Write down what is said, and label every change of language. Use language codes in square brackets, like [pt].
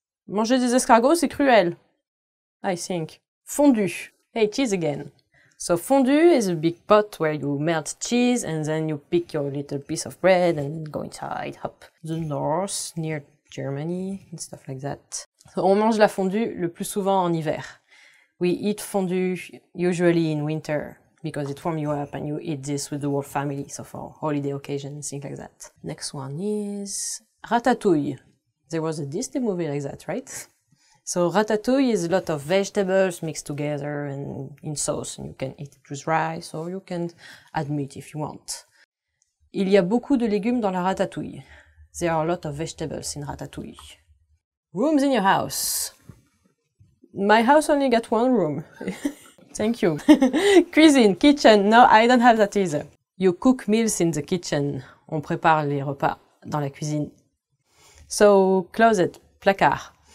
[fr] Manger des escargots, c'est cruel. [en] I think. Fondue. Hey, cheese again. So fondue is a big pot where you melt cheese and then you pick your little piece of bread and go inside, hop. The north, near Germany, and stuff like that. [fr] So on mange la fondue le plus souvent en hiver. [en] We eat fondue usually in winter because it warms you up and you eat this with the whole family, so for holiday occasions, things like that. Next one is ratatouille. There was a Disney movie like that, right? So ratatouille is a lot of vegetables mixed together and in sauce, and you can eat it with rice or you can add meat if you want. [fr] Il y a beaucoup de légumes dans la ratatouille. [en] There are a lot of vegetables in ratatouille. Rooms in your house. My house only got one room. Thank you. Cuisine, kitchen. No, I don't have that either. You cook meals in the kitchen. [fr] On prépare les repas dans la cuisine. So, closet, placard.